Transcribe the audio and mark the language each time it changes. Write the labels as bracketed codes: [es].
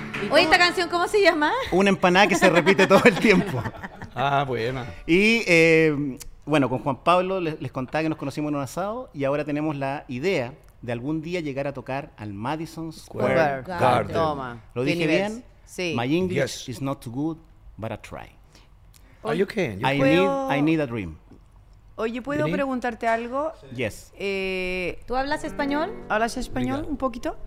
[es] Oye, ¿esta canción cómo se llama? Una empanada que se repite todo el tiempo. Ah, buena. Y bueno, con Juan Pablo les contaba que nos conocimos en un asado y ahora tenemos la idea de algún día llegar a tocar al Madison Square Garden. Toma. ¿Lo dije bien? Sí. [en] My English is not too good, but I try. Are you okay? I need a dream. [es] Oye, ¿puedo preguntarte algo? Sí. Yes. ¿Tú hablas español? ¿Hablas español un poquito?